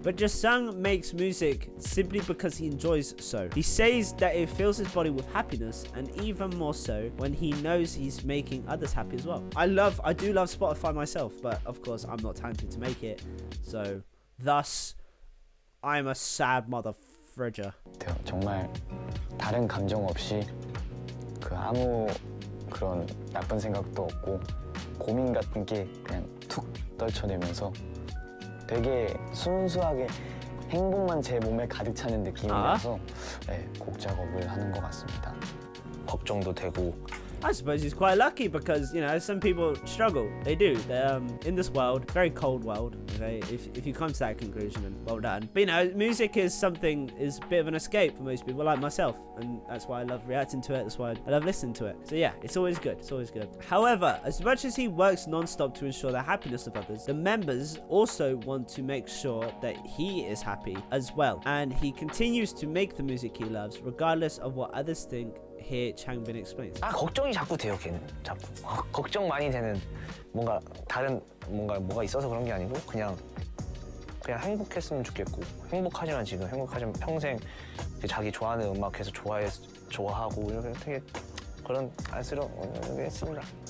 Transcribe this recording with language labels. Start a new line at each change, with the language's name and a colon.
English: But Jisung makes music simply because he enjoys so. He says that it fills his body with happiness, and even more so when he knows he's making others happy as well. I do love Spotify myself, but of course I'm not talented to make it. So thus I'm a sad mother fridger.
Korean: 정말 다른 감정 없이 그 아무 그런 나쁜 생각도 없고 고민 같은 게 그냥 툭 떨쳐내면서 되게 순수하게 행복만 제 몸에 가득 차는 느낌이라서 아? 네, 곡 작업을 하는 것 같습니다. 걱정도 되고.
English: I suppose he's quite lucky because, you know, some people struggle. They do. They're in this world, very cold world, okay? If you come to that conclusion, then well done. But, you know, music is something, is a bit of an escape for most people, like myself. And that's why I love reacting to it. That's why I love listening to it. So, yeah, it's always good. It's always good. However, as much as he works nonstop to ensure the happiness of others, the members also want to make sure that he is happy as well. And he continues to make the music he loves, regardless of what others think. Here, Changbin explains.
Korean: 아 걱정이 자꾸 돼요, 걔는. 자꾸 걱정 많이 되는 뭔가 다른 뭔가 뭐가 있어서 그런 게 아니고 그냥 행복했으면 좋겠고 행복하지만 지금 행복하지만 평생 자기 좋아하는 음악 계속 좋아하고 이렇게 되게 그런 안쓰러운 했습니다.